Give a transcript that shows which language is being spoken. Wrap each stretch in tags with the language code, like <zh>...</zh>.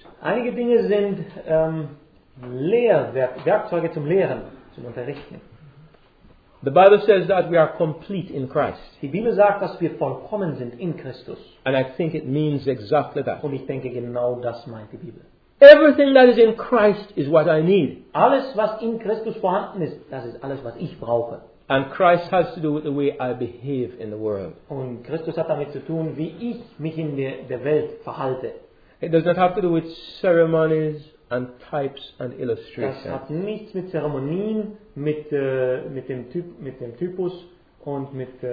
<de>Einige Dinge sind Werkzeuge zum Lehren, zum Unterrichten.</de> <en>The Bible says that we are complete in Christ.</en> <de>Die Bibel sagt, dass wir vollkommen sind in Christus.</de> <en>And I think it means exactly that.</en> <de>Und ich denke, genau das meint die Bibel.</de> <en>Everything that is in Christ is what I need.</en> <de>Alles, was in Christus vorhanden ist, das ist alles, was ich brauche.</de> <en>And Christ has to do with the way I behave in the world.</en> <de>Und Christus hat damit zu tun, wie ich mich in der Welt verhalte.</de> <en>It does not have to do with ceremonies and types and illustrations.</en> <de>Das hat nichts mit Zeremonien, mit dem Typus und mit</de>